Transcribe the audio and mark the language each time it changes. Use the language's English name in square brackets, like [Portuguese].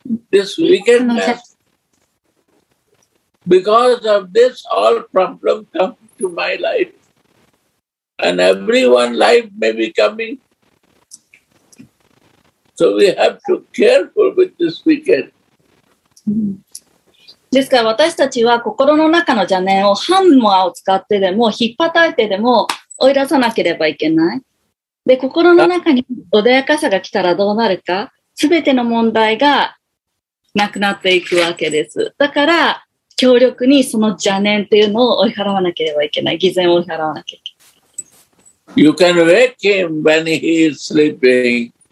[English] This wickedness, because of this, all problems come to my life, and everyone's life may be coming. So we have to be careful with this weekend. [Japanese] ですから私たちは心の中の邪念をハンマーを使ってでも引っ叩いてでも追い出さなければいけない。で、心の中に穏やかさが来たらどうなるか、すべての問題がなくなっていくわけです。だから、強力にその邪念というのを追い払わなければいけない。偽善を追い払わなきゃいけない。 [English] You can wake him when he is sleeping.